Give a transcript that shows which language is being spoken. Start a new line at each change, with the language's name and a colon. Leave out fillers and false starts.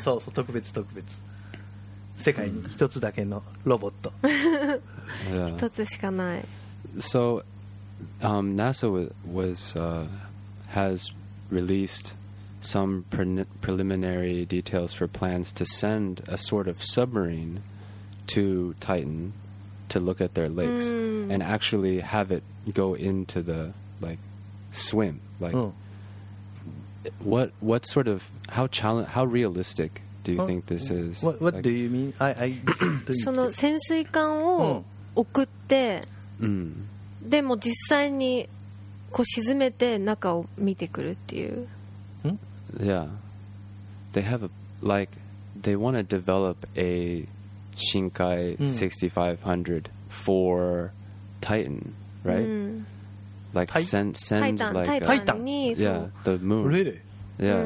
Japanese: そうそう、特別世界に一つだけのロボット一つしかない。
English: So NASA has released some preliminary details for plans to send a sort of submarine to Titan to look at their lakes and actually have it go into the like swim like What sort of how realistic do you think this is? What like, do you mean? I
Japanese: その潜水艦を送って、でも実際にこう沈めて中を見てくるっていう。
English: Yeah, they have a, like they want to develop a 深海6500 for Titan, right?、うん、like send send Titan, like Titan, yeah, the moon. Really? Yeah,、